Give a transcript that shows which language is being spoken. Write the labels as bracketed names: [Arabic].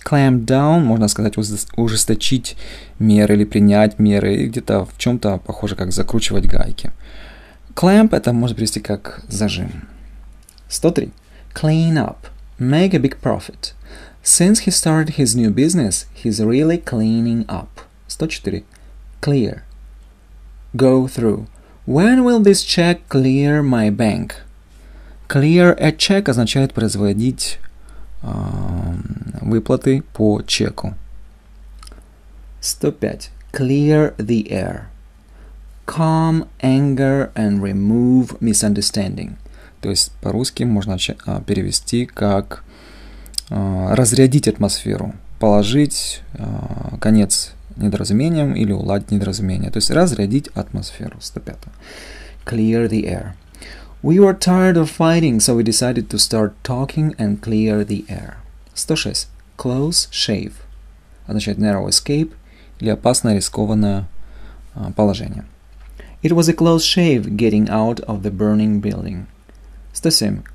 [Russian] Clamp down – можно сказать, ужесточить меры или принять меры, и где-то в чем-то похоже, как закручивать гайки. Clamp – это можно перевести как зажим. [English] 103. Clean up – make a big profit. Since he started his new business, he's really cleaning up. 104. Clear. Go through. When will this check clear my bank? Clear a check означает производить выплаты по чеку. 105. Clear the air. Calm anger and remove misunderstanding. [Russian] То есть по-русски можно перевести как разрядить атмосферу, положить конец недоразумением или уладить недоразумение. То есть разрядить атмосферу. [English] 105. Clear the air. We were tired of fighting, so we decided to start talking and clear the air. [Russian] 106. Close shave. Означает narrow escape или опасное рискованное положение. [English] It was a close shave getting out of the burning building. 107.